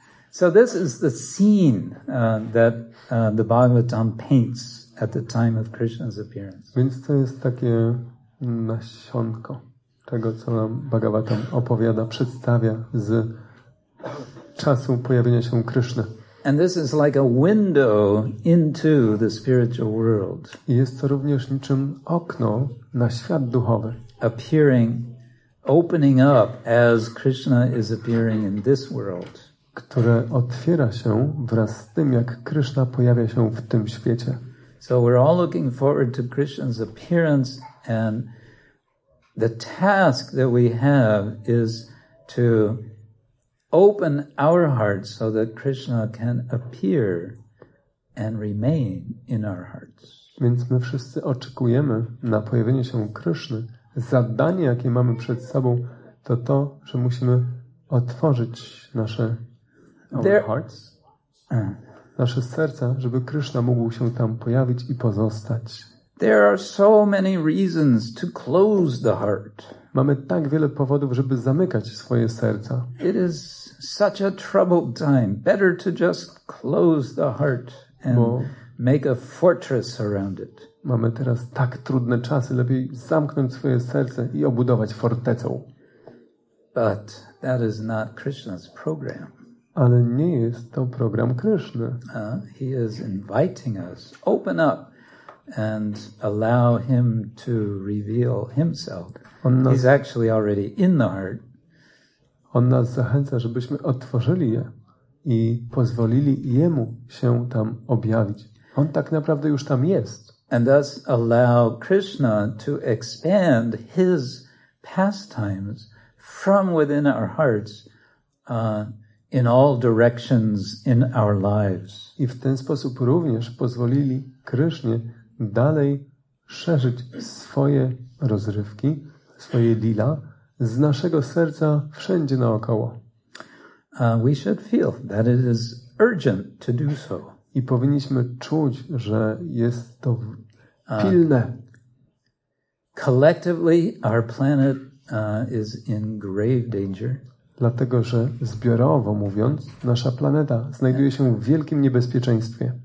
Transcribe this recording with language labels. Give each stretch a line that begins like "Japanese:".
English: So this is the scene that the Bhagavatam paints at the time of Krishna's appearance.
Polish: Więc to jest takie nasionko tego, co nam Bhagavatam opowiada, przedstawia z czasu pojawienia się Krishna.
English: And this is like a window into the spiritual world.
Polish: I jest to również niczym okno na świat duchowy.
English: Appearing, opening up as Krishna is appearing in this world.
Polish: Które otwiera się wraz z tym, jak Krishna pojawia się w tym świecie.
English: So we're all looking forward to Krishna's appearance, and the task that we have is to open our hearts so that Krishna can appear and remain in our hearts.
Polish: Więc my wszyscy oczekujemy na pojawienie się Krishny. Zadanie, jakie mamy przed sobą, to to, że musimy otworzyć nasze
English: hearts,
Polish: nasze serca, żeby Krishna mógł się tam pojawić i pozostać.
English: There are so many reasons to close the heart.
Polish: Mamy tak wiele powodów, żeby zamykać swoje serca.
English: It is such a troubled time. Better to just close the heart and make a fortress around it.
Polish: Mamy teraz tak trudne czasy, lepiej zamknąć swoje serce i obudować fortecą.
English: But that is not Krishna's program.
Polish: Ale nie jest to program Krishna.
English: He is inviting us. Open up and allow him to reveal himself.
Polish: On nas,
English: he's actually already in the heart.
Polish: On nas zachęca, żebyśmy otworzyli je i pozwolili jemu się tam objawić. On tak naprawdę już tam jest.
English: And thus allow Krishna to expand his pastimes from within our hearts in all directions in our lives.
Polish: I w ten sposób również pozwolili Krishnie dalej szerzyć swoje rozrywki, swoje lila z naszego serca wszędzie naokoło.
English: We should feel that it is urgent to do so.
Polish: I powinniśmy czuć, że jest to pilne.
English: Collectively our planet is in grave danger.
Polish: Dlatego, że zbiorowo mówiąc, nasza planeta znajduje się w wielkim niebezpieczeństwie.